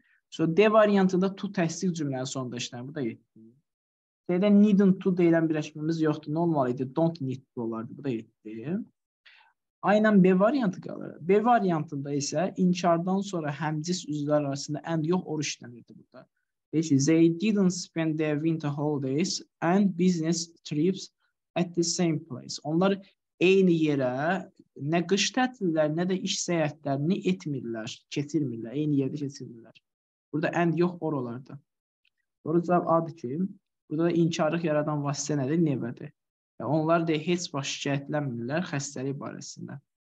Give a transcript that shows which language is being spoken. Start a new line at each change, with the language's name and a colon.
Azerbaijani: Sonra D variantında to təsdiq cümlənin sonunda işləyir. Bu da yetdi. C-də
English: needn't to
Azerbaijani: deyilən birləşməmiz yoxdur. Nə olmalı idi?
English: Don't need to
Azerbaijani: olardı. Bu da yetdi. Aynən B variantı qalır. B variantında isə inkardan sonra həmcins üzvlər arasında and yox oruç işlənirdi burada. Deyir ki,
English: they didn't spend their winter holidays and business trips at the same place.
Azerbaijani: Onlar eyni yerə nə qış tətilər, nə də iş səyahətlərini etmirlər, keçirmirlər, eyni yerdə keçirmirlər. Burada and yox oralarda. Doğru cavab adı ki, burada da inkarlıq yaradan vasitə nədir, növbədir. Onlar deyir, heç baş şikayətlənmirlər xəstəlik barəsində.